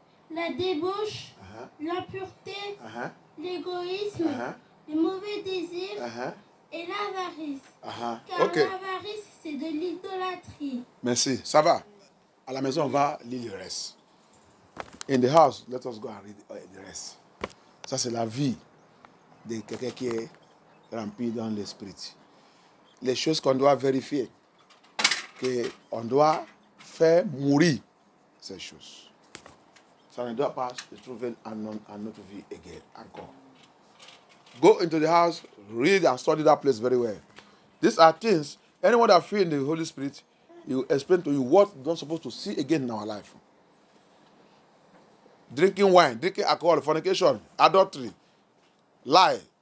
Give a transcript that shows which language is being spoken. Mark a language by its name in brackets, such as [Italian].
[French] La débauche, l'impureté, l'égoïsme, les mauvais désirs et l'avarice. Car l'avarice, c'est de l'idolâtrie. Merci, ça va. À la maison, on va lire le reste. [English] In the house, let us go and read the rest. [French] Ça, c'est la vie de quelqu'un qui est rempli dans l'esprit. Les choses qu'on doit vérifier, qu'on doit faire mourir ces choses. Ça ne doit pas se trouver en notre vie again, encore. [English] Go into the house, read and study that place very well. These are things, anyone that feels in the Holy Spirit, he will explain to you what you're not supposed to see again in our life. Drinking wine, drinking alcohol, fornication, adultery, lie.